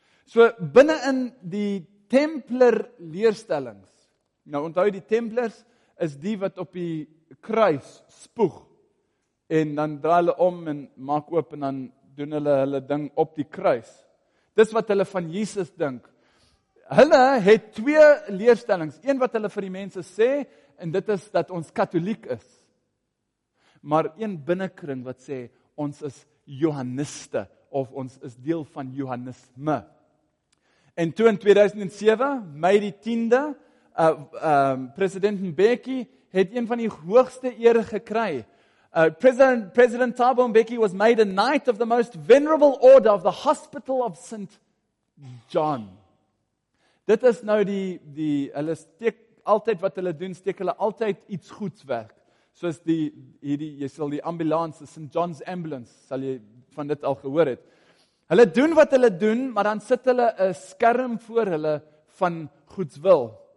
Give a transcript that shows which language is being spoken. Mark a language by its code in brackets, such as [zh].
[af] So, binne in die Templer leerstellings, nou onthou die Templers is die wat op die kruis spoeg, en dan draai hulle om en maak oop en dan doen hulle ding op die kruis. Dis wat hulle van Jesus dink. Hulle het twee leerstellings. Een wat hulle vir die mense sê, en dit is dat ons katoliek is. Maar een binnekring wat sê, ons is Johanniste, of ons is deel van Johannisme. En toe in 2007, Mei die 10de, president Mbeki het een van die hoogste ere gekry. [en] President Thabo Mbeki was made a knight of the most venerable order of the Hospital of St. John. [af] Dit is nou die hulle steek altyd wat hulle doen, steek hulle altyd iets goeds weg. soos die hierdie jy sal die ambulance, St. John's Ambulance, sal jy van dit al gehoor het. Hulle doen wat hulle doen, maar dan sit hulle 'n skerm voor hulle van goedswil.